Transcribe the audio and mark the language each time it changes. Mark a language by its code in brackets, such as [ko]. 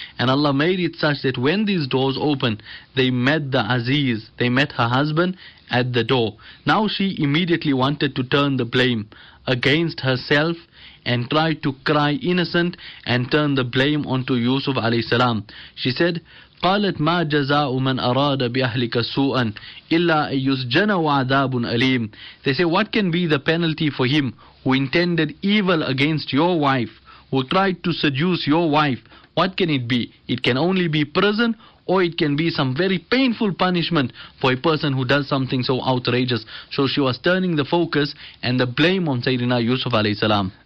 [en] And Allah made it such that when these doors opened, they met the Aziz. They met her husband at the door. Now she immediately wanted to turn the blame against herself and try to cry innocent and turn the blame onto Yusuf alayhi salam. She said, [ar] قَالَتْ مَا جَزَاءُ مَنْ أَرَادَ بِأَهْلِكَ سُوءًا إِلَّا أَيُّسْجَنَ وَعَذَابٌ أَلِيمٌ. [en] They say, what can be the penalty for him who intended evil against your wife, who tried to seduce your wife? What can it be? It can only be prison, or it can be some very painful punishment for a person who does something so outrageous. So she was turning the focus and the blame on Sayyidina Yusuf alayhi salam.